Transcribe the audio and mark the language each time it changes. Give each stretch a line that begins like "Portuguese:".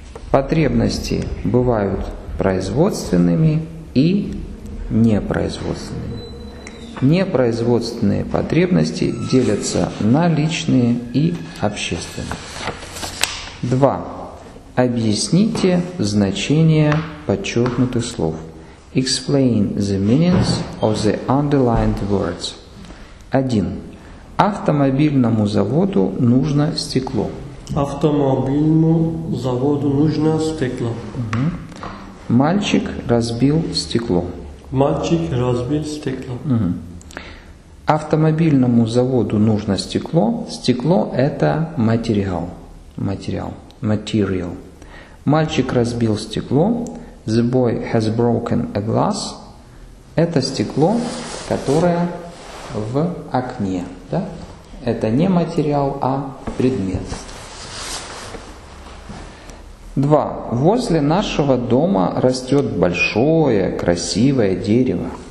Russian: Потребности бывают производственными и непроизводственными. Непроизводственные потребности делятся на личные и общественные. Два. Объясните значение подчеркнутых слов.
English: Explain the meanings of the underlined words.
Russian: Один. Автомобильному заводу нужно стекло. Автомобильному заводу нужно стекло. Угу. Мальчик разбил стекло. Мальчик разбил стекло. Угу. Автомобильному заводу нужно стекло. Стекло – это материал. Материал. Материал. Мальчик разбил стекло.
English: The boy has broken a glass.
Russian: Это стекло, которое в окне. Да? Это не материал, а предмет. Два. Возле нашего дома растет большое красивое дерево.